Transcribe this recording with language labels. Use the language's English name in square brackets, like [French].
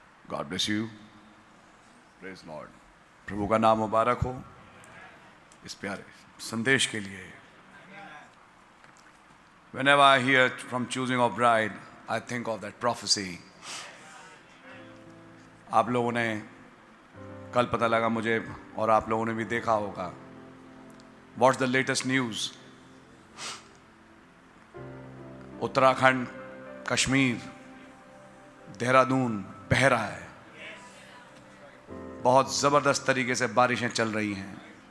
[English] God bless you, praise Lord, [Hindi] प्रभु का नाम मुबारक हो इस प्यारे संदेश के लिए। [English] Whenever I hear from choosing a bride, I think of that prophecy. [Hindi] आप लोगों ने कल पता लगा मुझे और आप लोगों ने भी देखा होगा [English] What's the latest news? [Hindi] Uttarakhand Kashmir Dehradun बह रहा है, बहुत ज़बरदस्त तरीके से बारिशें चल रही हैं